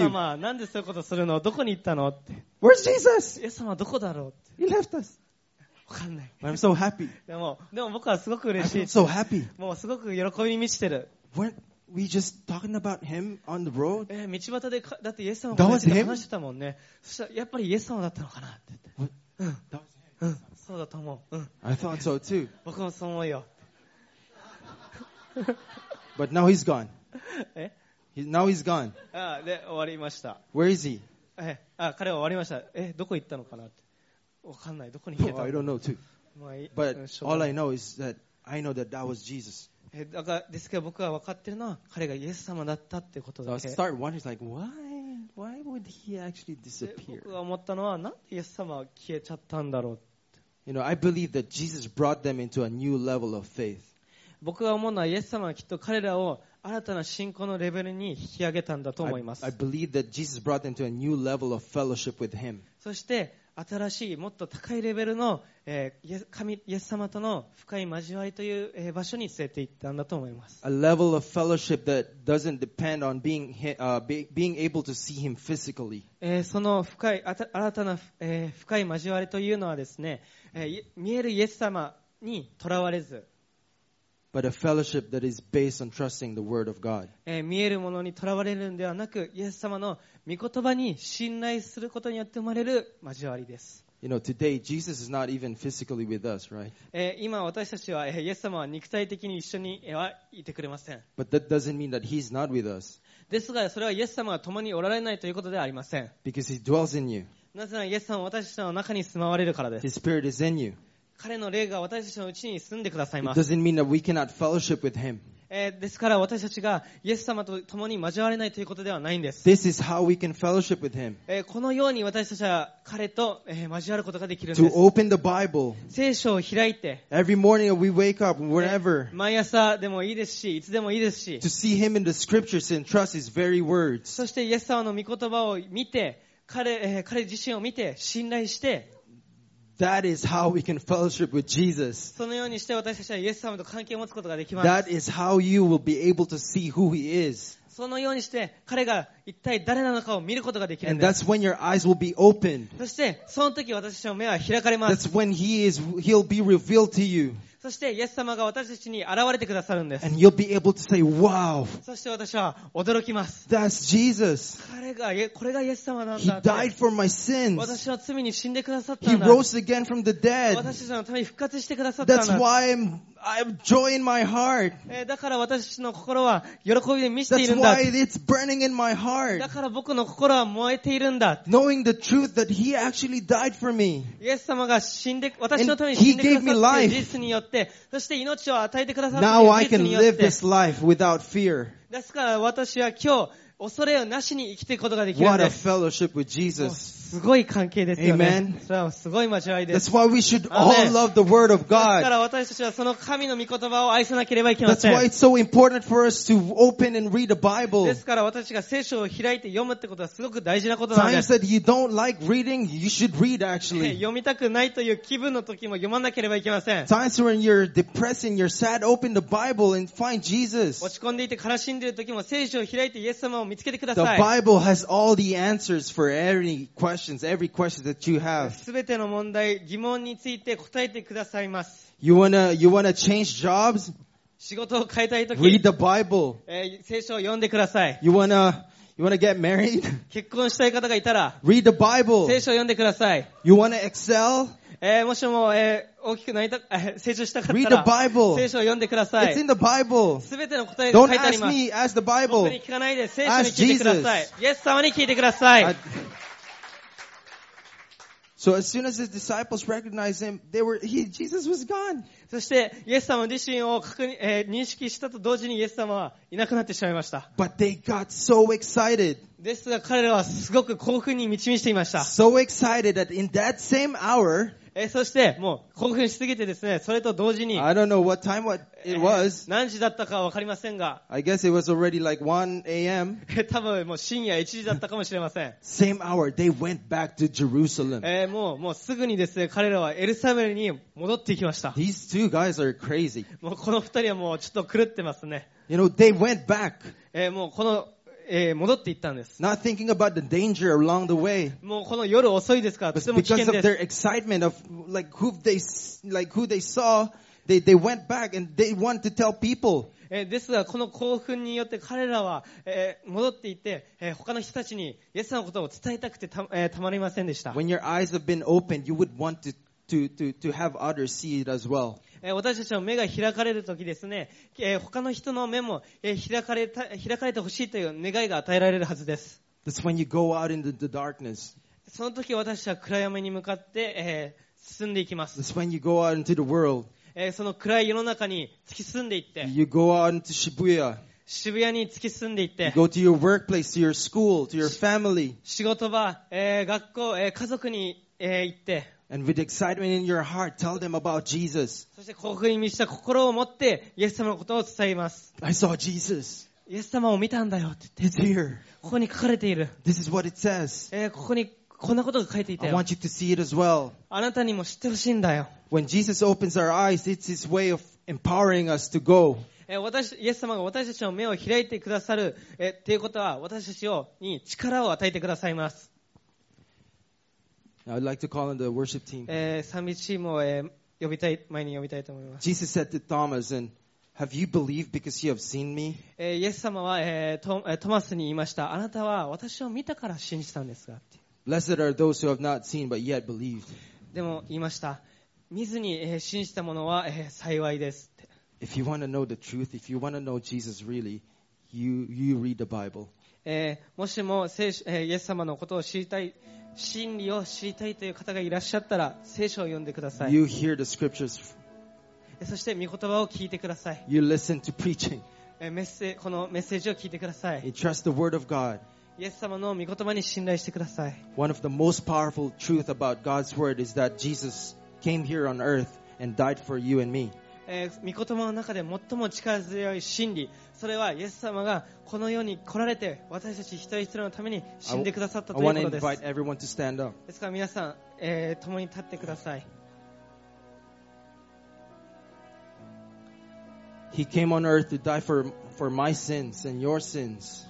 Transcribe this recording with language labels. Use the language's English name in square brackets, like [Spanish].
[Japanese] イエス様なんでそういうことするの？どこに行ったの？って。 [English] Where's Jesus? [Japanese] イエス様どこだろう？って。 [English] He left us. [Japanese] わかんない。 [English] But I'm so happy. [Japanese] でも僕はすごく嬉しい。 [English] I'm so happy. [Japanese] もうすごく喜びに満ちてる。 [English] Weren't we just talking about him on the road? [Japanese] 道端でだってイエス様と話してたもんね。そしたらやっぱりイエス様だったのかなって。 [English] What? That was him. [Japanese] そうだと思う。うん。 [English] I thought so too. [Japanese] 僕もそう思うよ。 [English] But now he's gone. Now he's gone. [Japanese] で、終わりました。 [English] Where is he? [Japanese] 彼は終わりました。どこ行ったのかなって。わかんない。どこに行ったの [English] I don't know too. But all I know is that I know that that was Jesus. [Japanese] だから、ですけど僕は分かってるのは彼がイエス様だったってことだけ。 [English] So I start wondering, like, why? Why would he actually disappear? [Japanese] 僕が思ったのは、なんでイエス様は消えちゃったんだろう。 [English] You know, I believe that Jesus brought them into a new level of faith. [Japanese] 僕が思うのは、イエス様はきっと彼らを新たな信仰のレベルに引き上げたんだと思います。 [English] I believe that Jesus brought them to a new level of fellowship with him. [Japanese] そして、新しい、もっと高いレベルの、神、イエス様との深い交わりという、場所に連れて行ったんだと思います。 [English] A level of fellowship that doesn't depend on being, being able to see him physically. [Japanese] その深い、新たな、深い交わりというのはですね、見えるイエス様にとらわれず、 [English] But a fellowship that is based on trusting the word of God. [Japanese] 見えるものにとらわれるんではなく、イエス様の御言葉に信頼することによって生まれる交わりです。 [English] You know, today Jesus is not even physically with us, right? [Japanese] 今私たちはイエス様は肉体的に一緒にはいてくれません。 [English] But that doesn't mean that he's not with us. [Japanese] ですが、それはイエス様が共におられないということではありません。 [English] Because he dwells in you. [Japanese] なぜならイエス様は私たちの中に住まわれるからです。 [English] His spirit is in you. [Japanese] 彼の霊が私たちのうちに住んでくださいます。 [English] It doesn't mean that we cannot fellowship with him. [Japanese] ですから私たちがイエス様と共に交われないということではないんです。 [English] This is how we can fellowship with him. [Japanese] このように私たちは彼と、交わることができるんです [English] 。 To open the Bible. [Japanese] 聖書を開いて。 [English] Every morning we wake up, whenever. [Japanese] 毎朝でもいいですし、いつでもいいですし。 [English] To see him in the scriptures and trust his very words. [Japanese] そしてイエス様の御言葉を見て、彼自身を見て、信頼して、 [English] That is how we can fellowship with Jesus. [Japanese] そのようにして私たちはイエス様と関係を持つことができます。 [English] That is how you will be able to see who he is. [Japanese] そのようにして彼が一体誰なのかを見ることができるんです。 [English] And that's when your eyes will be opened. [Japanese] そしてその時私たちの目は開かれます。 [English] That's when he'll be revealed to you. [Japanese] そしてイエス様が私たちに現れてくださるんです。 [English] And you'll be able to say, wow. [Japanese] そして私は驚きます。 [English] That's Jesus. [Japanese] これがイエス様なんだ。 [English] He died for my sins. [Japanese] 私の罪に死んでくださったんだ。 [English] He rose again from the dead. [Japanese] 私たちのために復活してくださったんだ。 [English] That's why I'm joy in my heart. [Japanese] だから私の心は喜びで満ちているんだ。 [English] That's why it's burning in my heart. [Japanese] だから僕の心は燃えているんだ。 [English] Knowing the truth that he actually died for me. [Japanese] イエス様が死んで、私のために死んでくださった事実によって、そして命を与えてくださった事実によって。 [English] Now I can [Japanese] ですから私は今日恐れをなしに生きていくことができるんです。 [English] What a fellowship with Jesus. [Japanese] すごい関係ですよね。 [English] Amen. [Japanese] それはすごい交わりです。 [English] That's why we should all love the word of God. [Japanese] ですから私たちはその神の御言葉を愛さなければいけません。 [English] That's why it's so important for us to open and read the Bible. [Japanese] ですから私たちが聖書を開いて読むってことはすごく大事なことなんです。 [English] Times that you don't like reading, you should read actually. [Japanese] 読みたくないという気分の時も読まなければいけません。 [English] Times when you're depressed and you're sad, open the Bible and find Jesus. [Japanese] 落ち込んでいて悲しんでいる時も聖書を開いてイエス様を見つけてください。 [English] The Bible has all the answers for any question. Every question that you have. [Japanese] 全ての問題、疑問について答えてくださいます。 [English] You wanna change jobs? [Japanese] 仕事を変えたいと [English] き、read the Bible. [Japanese] 聖書を読んでください。 [English] You wanna get married? [Japanese] 結婚したい方がいたら、 [English] read the Bible. [Japanese] 聖書を読んでください。 [English] You wanna excel? [Japanese] もしも、大きくなりた、成長したかったら、 [English] read the Bible. [Japanese] 聖書を読んでください。 [English] It's in the Bible. [Japanese] 全ての答えが書いてあります。 [English] Don't ask me, ask the Bible. [Japanese] 僕に聞かないで、聖書に聞いてください。イエス様に聞いてください。 [English] So as soon as his disciples recognized him, Jesus was gone. [Japanese] そしてイエス様自身を認識したと同時にイエス様はいなくなってしまいました。 [English] But they got so excited. [Japanese] ですが彼らはすごく興奮に満ち満ちていました。 [English] So excited that in that same hour, [Japanese] そしてもう興奮しすぎてですね、それと同時に、 [English] I don't know what time it was. [Japanese] 何時だったかわかりませんが、 [English] I guess it was already like 1 a.m. [Japanese] 多分もう深夜1時だったかもしれません。 [English] Same hour, they went back to Jerusalem. [Japanese] もうすぐにですね、彼らはエルサレムに戻っていきました。 [English] These two guys are crazy. [Japanese] もうこの二人はもうちょっと狂ってますね。 [English] You know, they went back. [Japanese] もうこの戻っていったんです。 [English] Not thinking about the danger along the way. [Japanese] もうこの夜遅いですから、とても危険です。 [English] Because of their excitement of like who they saw, they went back and they want to tell people. [Japanese] ですがこの興奮によって彼らは戻っていって他の人たちにイエス様のことを伝えたくてたまりませんでした。 [English] When your eyes have been opened, you would want to have others see it as well. [Japanese] 私たちの目が開かれるときですね、他の人の目も開かれてほしいという願いが与えられるはずです。 [English] That's when you go out into the darkness. [Japanese] そのとき私は暗闇に向かって進んでいきます。 [English] That's when you go out into the world. [Japanese] その暗い世の中に突き進んでいって。 [English] You go out into Shibuya. [Japanese] 渋谷に突き進んでいって、 [English] you go to your workplace, to your school, to your family. [Japanese] 仕事場、学校、家族に、行って、 [English] and with excitement in your heart, tell them about Jesus. [Japanese] そして興奮に満ちた心を持って、イエス様のことを伝えます。 [English] I saw Jesus. [Japanese] イエス様を見たんだよって言って、ここに書かれている。 [English] This is what it says. [Japanese] ここにこんなことが書いていたよ。 [English] I want you to see it as well. [Japanese] あなたにも知ってほしいんだよ。 [English] When Jesus opens our eyes, it's his way of empowering us to go. [Japanese] イエス様が私たちの目を開いてくださるっていうことは、私たちに力を与えてくださいます。 [English] I'd like to call on the worship team. [Japanese] 賛美チームを呼びたい、前に呼びたいと思います。 [English] Jesus said to Thomas andHave you believed because you have seen me? [Japanese] イエス様は、トマスに言いました。あなたは私を見たから信じたんですか? [English] Blessed are those who have not seen but yet believed. [Japanese] でも言いました。見ずに、信じた者は、幸いです。 [English] If you want to know the truth, if you want to know Jesus really, you read the Bible. [Japanese] もしも聖書、イエス様のことを知りたい、真理を知りたいという方がいらっしゃったら、聖書を読んでください。 [English] You hear the scriptures. [Japanese] そして御言葉を聞いてください。 [English] You listen to preaching. [Japanese] このメッセージを聞いてください。 [English] You trust the word of God. [Japanese] イエス様の御言葉に信頼してください。 [English] One of the most powerful truth about God's word is that Jesus came here on earth and died for you and me. [Japanese] 御言葉の中で最も力強い真理、それはイエス様がこの世に来られて私たち一人一人のために死んでくださったということです。 [English] I want to invite everyone to stand up. [Japanese] ですから皆さん、共に立ってください。 [English] He came on earth to die for my sins and your sins.